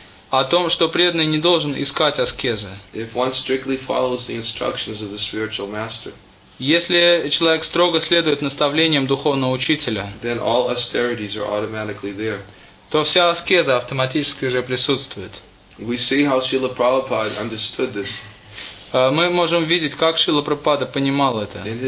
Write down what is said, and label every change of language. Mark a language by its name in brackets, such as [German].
[Russian] О том, что преданный не должен искать аскезы. [English] If one strictly follows the instructions of the spiritual master. [Russian] Если человек строго следует наставлениям духовного учителя. [English] Then all austerities are automatically there. [Russian] То вся аскеза автоматически уже присутствует. [English] We see how Srila Prabhupada understood this. [Russian] Мы можем видеть, как Шрила Прабхупада понимал это.